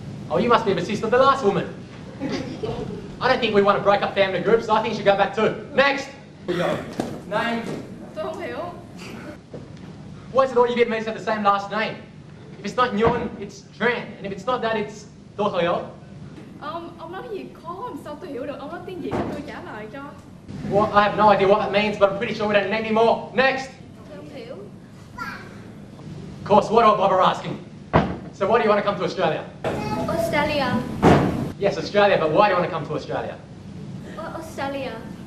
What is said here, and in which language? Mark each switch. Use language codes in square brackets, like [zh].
[en] Oh, you must be the sister of the last woman. I don't think we want to break up family groups, so I think you should go back too. Next! Name? Don't Hill. Why is it all you Vietnamese have the same last name? If it's not Nguyen, it's Tran. And if it's not that, it's Don Hill. [vi] Ông nói gì khó làm sao tôi hiểu được, ông nói tiếng Việt tôi trả lại cho. [en] Well, I have no idea what that means, but I'm pretty sure we don't need any more. Next! Of course, what all Bob are asking? So why do you want to come to Australia? Australia. Yes, Australia, but why do you want to come to Australia? Australia.